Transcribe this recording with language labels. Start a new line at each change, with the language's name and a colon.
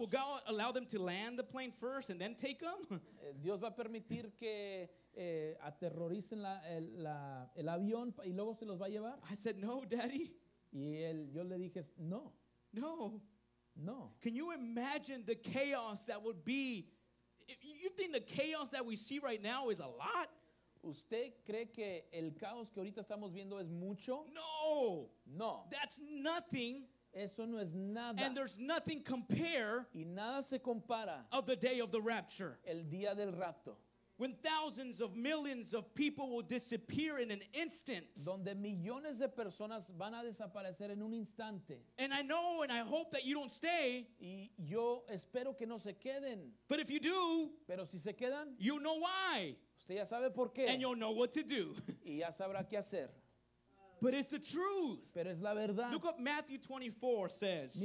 English: Will God allow them to land the plane first and then take them?
Spanish: Dios va a permitir que aterroricen el avión y luego se los va a llevar.
English: I said no, Daddy.
Spanish: Y yo le dije no.
English: No.
Spanish: No.
English: Can you imagine the chaos that would be? You think the chaos that we see right now is a lot?
Spanish: ¿Usted cree que el caos que ahorita estamos viendo es mucho?
English: No.
Spanish: No.
English: That's nothing.
Spanish: Eso no es nada.
English: And there's nothing compare.
Spanish: Y nada se compara.
English: Of the day of the rapture.
Spanish: El día del rapto.
English: When thousands of millions of people will disappear in an instant.
Spanish: Donde millones de personas van a desaparecer en un instante.
English: And I know and I hope that you don't stay.
Spanish: Y yo espero que no se queden.
English: But if you do.
Spanish: Pero si se quedan.
English: You know why.
Spanish: Usted ya sabe por qué.
English: And you'll know what to do.
Spanish: Y ya sabrá qué hacer.
English: But it's the truth.
Spanish: Pero es la verdad.
English: Look what Matthew 24 says.